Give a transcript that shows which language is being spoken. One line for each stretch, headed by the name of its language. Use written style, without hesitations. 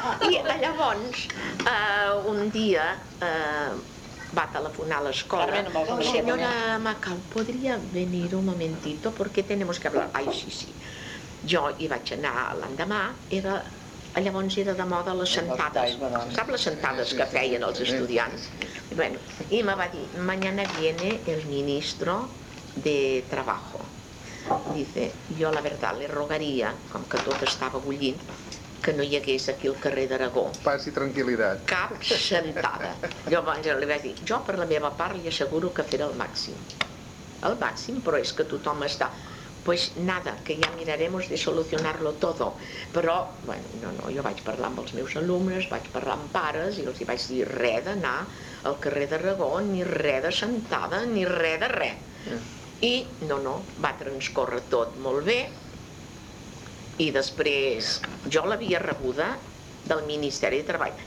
Catalan: I llavors, un dia, va telefonar a l'escola, senyora Macau, podria venir un momentito, perquè
Spanish: tenemos que hablar.
Catalan: Ai, sí. Jo hi vaig anar l'endemà, llavors era de moda les sentades, sap les sentades que feien els estudiants?
Spanish: Bueno,
Catalan: i me va dir,
Spanish: mañana viene el ministro de trabajo. Dice, yo la verdad le rogaría,
Catalan: com que tot estava bullint, que no hi hagués aquí al carrer d'Aragó. Passi tranquil·litat. Cap sentada. Jo li vaig dir, jo per la meva part li asseguro que faré el màxim. El màxim, però és que tothom està...
Spanish: Pues nada, que ja miraremos de solucionarlo todo.
Catalan: Però, bueno, no, jo vaig parlar amb els meus alumnes, vaig parlar amb pares i els vaig dir res d'anar al carrer d'Aragó, ni res de sentada, ni res de res. I, no, va transcorrer tot molt bé. I després, jo l'havia rebuda del Ministeri de Treball.